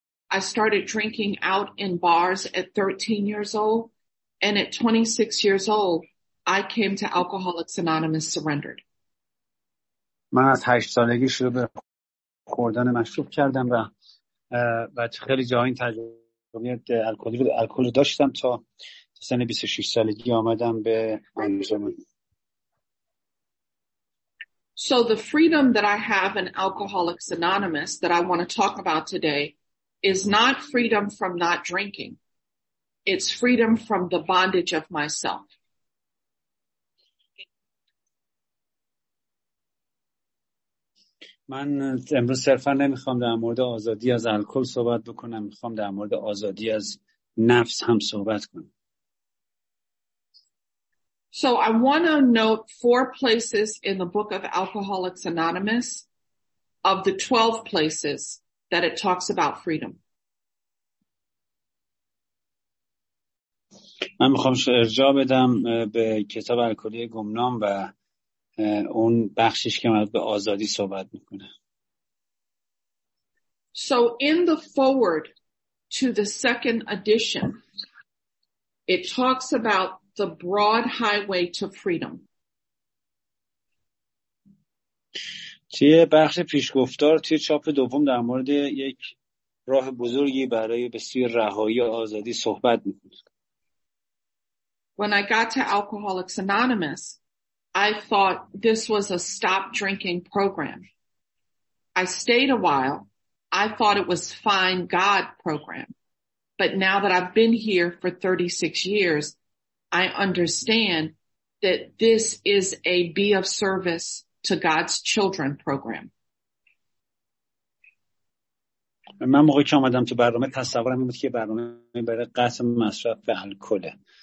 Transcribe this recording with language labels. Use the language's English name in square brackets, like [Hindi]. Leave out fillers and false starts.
[English] I started drinking out in bars at 13 years old and at 26 years old I came to Alcoholics Anonymous surrendered. [Persian] من از 8 سالگی شروع به خوردن مشروب کردم و خیلی جاهای تجربه الکل داشتم تا سن 26 سالگی آمدم به آمریکا. [English] So the freedom that I have in Alcoholics Anonymous that I want to talk about today is not freedom from not drinking. It's freedom from the bondage of myself. [Persian] من امروز صرفاً نمیخوام در مورد آزادی از الکل صحبت بکنم، میخوام در مورد آزادی از نفس هم صحبت کنم. [English] So I want to note four places in the book of Alcoholics Anonymous of the 12 places that it talks about freedom. [Persian] من میخوام ارجاع بدم به کتاب الکلی گمنام و اون بخشش که مربوط به آزادی صحبت میکنه. [English] So in the forward to the second edition it talks about the broad highway to freedom. [Persian] توی بخش پیشگفتار توی چاپ دوم در مورد یک راه بزرگی برای به سوی رهایی و آزادی صحبت می‌کنه. [English] When I got to Alcoholics Anonymous, I thought this was a stop drinking program. I stayed a while. I thought it was find God program. But now that I've been here for 36 years, I understand that this is a be of service to God's children program. [Persian] من موقعی که آمدم تو برنامه تصورم این بود که برنامه برای قطع مصرف به الکله.